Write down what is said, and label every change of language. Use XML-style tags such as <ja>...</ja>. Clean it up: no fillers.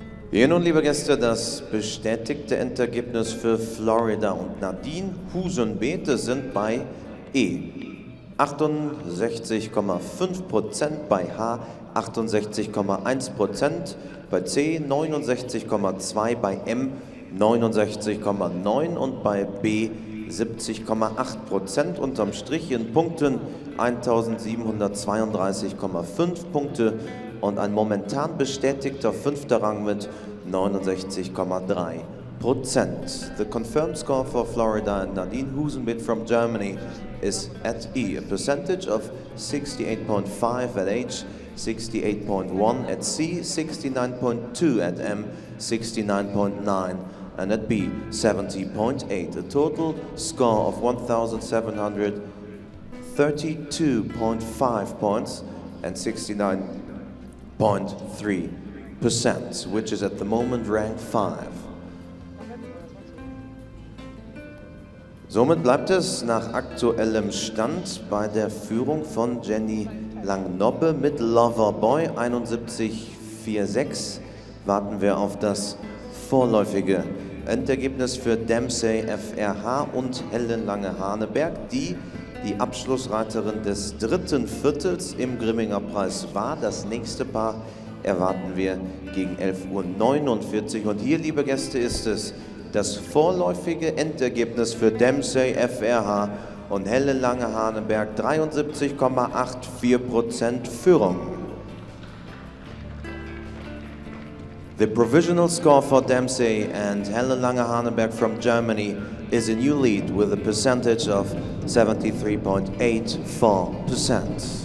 <de>Hier nun, liebe Gäste, das bestätigte Endergebnis für Florida und Nadine Husenbeete sind bei E 68,5%, bei H 68,1%, bei C 69,2%, bei M 69,9% und bei B 70,8%. Unterm Strich in Punkten 1732,5 Punkte und ein momentan bestätigter fünfter Rang mit 69,3%.</de> <en>The confirmed score for Florida and Nadine Husenbeet from Germany is at E, a percentage of 68.5 at H, 68.1 at C, 69.2 at M, 69.9 and at B, 70.8. A total score of 1,732.5 points and 69.3%, which is at the moment rank 5.</en> <de>Somit bleibt es nach aktuellem Stand bei der Führung von Jenny Langnobbe mit Loverboy 71,46. Warten wir auf das vorläufige Endergebnis für Dempsey FRH und Helen Lange Hahneberg, die die Abschlussreiterin des dritten Viertels im Grimminger Preis war. Das nächste Paar erwarten wir gegen 11.49 Uhr. Und hier, liebe Gäste, ist es das vorläufige Endergebnis für Dempsey FRH und Helen Lange Hahneberg, 73,84% Führung.</de> <en>The provisional score for Dempsey and Helen Lange Hahneberg from Germany is a new lead with a percentage of 73.84%.</en>